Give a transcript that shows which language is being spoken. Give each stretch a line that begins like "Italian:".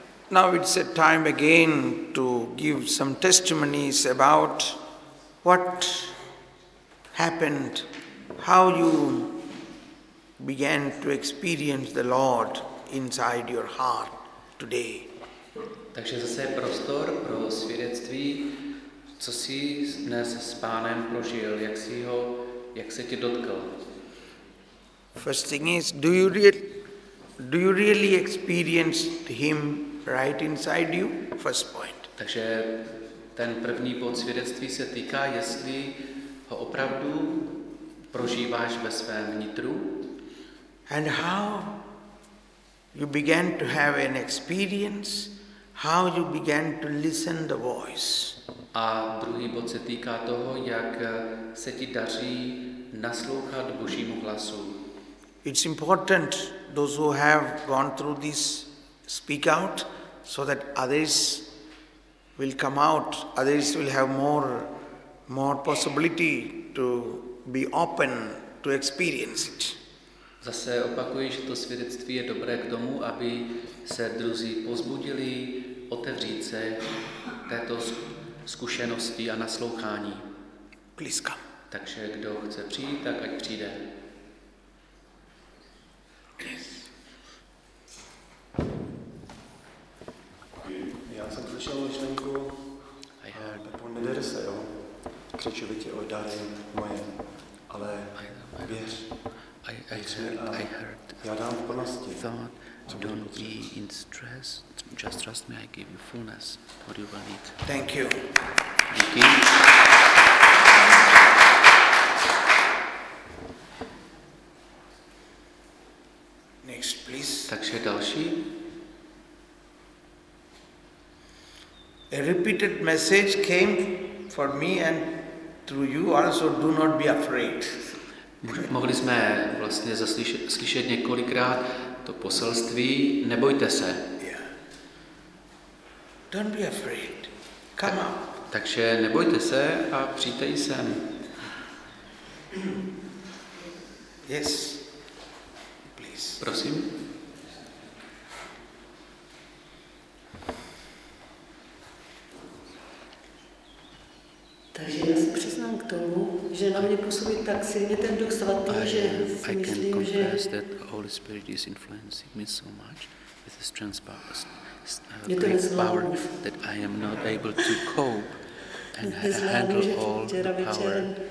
English: Now it's a time again to give some testimonies about what happened, how you began to experience the Lord inside your heart today.
Czech: Takže zase je prostor pro svědectví, co jsi dnes s Pánem prožil, jak jsi ho, jak se tě dotkal.
English: First thing is, do you really experience him right inside you? First point.
Czech: Takže ten první bod svědectví se týká, jestli ho opravdu prožíváš ve svém nitru.
English: And how you began to have an experience, how you began to listen the voice.
Czech: A druhý bod se týká toho, jak se ti daří naslouchat Božímu hlasu.
English: It's important those who have gone through this speak out, so that others will come out, others will have more possibility to be open to experience it.
Czech: Zase opakuji, že to svědectví je dobré k tomu, aby se druzí pozbudili otevřít se této zkušenosti a naslouchání.
English: Please come.
Czech: Takže kdo chce přijít, tak ať přijde. Já jsem slyšel myšlenku, Pepo, nedere se, jo? Křičovitě o dary moje, ale věř.
English: I heard, don't be in stress, just trust me, I give you fullness, what do you believe? Thank you. Thank you. Next, please.
Czech: Takže další.
English: A repeated message came for me and through you also, do not be afraid.
Czech: Mohli jsme vlastně slyšet několikrát to poselství, nebojte se.
English: Yeah. Don't be afraid. Come up. Takže nebojte se a přijďte sem. Yes. Please.
Czech: Prosím. Takže já se přiznám k tomu, že na mě působí tak silně ten Duch Svatý, že si myslím, že
English: that Holy Spirit is influencing me so much with this transpiration.
Czech: Je to nezvládnu.
English: That I am not able to cope and handle all the power.